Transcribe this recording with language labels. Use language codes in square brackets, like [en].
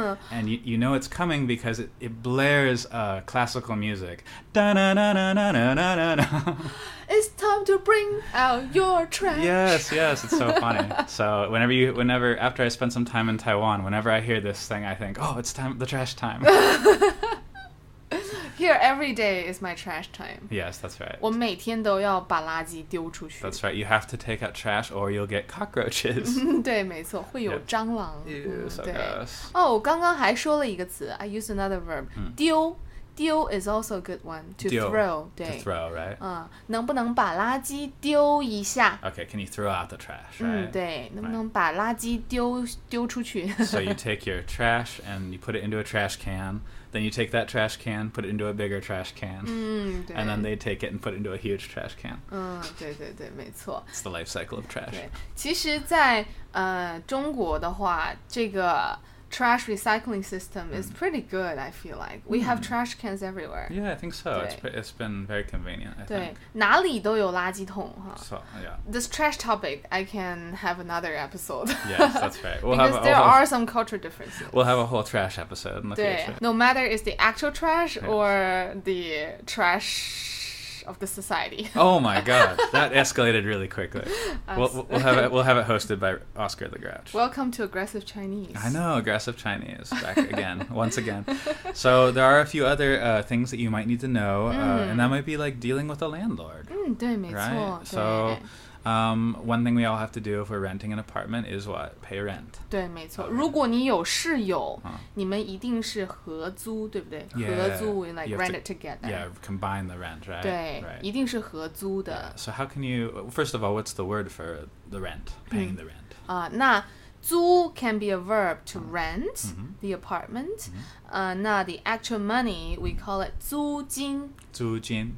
[en] And you know it's coming because it blares classical music. Da-na-na-na-na-na-na-na-na. It's time to bring out your trash. Yes, yes, it's so funny. So whenever, after I spend some time in Taiwan, whenever I hear this thing, I think, oh, it's time, the trash time. Here, every day is my trash time. Yes, that's right. [zh] 我每天都要把垃圾丢出去。 [en] That's right. You have to take out trash or you'll get cockroaches. [zh] 对,没错, 会有蟑螂。 [en] Yep. Ew, so gross. Oh, [zh] 刚刚还说了一个词, [en] I used another verb. 丢 is also a good one. To [zh] 丢, [en] throw. To throw, right? [zh] 能不能把垃圾丢一下? [en] Okay, can you throw out the trash, right? [zh] 对,能不能把垃圾丢出去? [en] So you take your trash and you put it into a trash can. Then you take that trash can, put it into a bigger trash can. And then they take it and put it into a huge trash can. [zh] 对,没错。 [en] It's the life cycle of trash. [zh] 其实在中国的话, 这个 [en] trash recycling system is pretty good, I feel like. We have trash cans everywhere. Yeah, I think so. It's been very convenient, I think. [zh] 哪里都有垃圾桶, huh? [en] So, yeah. This trash topic, I can have another episode. Yes, that's right. We'll because there are some cultural differences. We'll have a whole trash episode in the future. No matter it's the actual trash or the trash of the society. Oh my god, that escalated really quickly. We'll have it hosted by Oscar the Grouch. Welcome to Aggressive Chinese. I know, Aggressive Chinese, back again, once again. So there are a few other things that you might need to know, and that might be like dealing with a landlord. [zh] 对,没错. [en] Right? So one thing we all have to do if we're renting an apartment is what? Pay rent. [zh] 对,没错.Okay. 如果你有室友, 你们一定是合租,对不对? [en] Yeah. 合租, like rent it together. Yeah, combine the rent, right? [zh] 对,一定是合租的.Right. [en] Yeah. So how can you, first of all, what's the word for the rent, paying the rent? 那租 can be a verb to rent the apartment. The actual money, we call it 租金. [zh] 租金.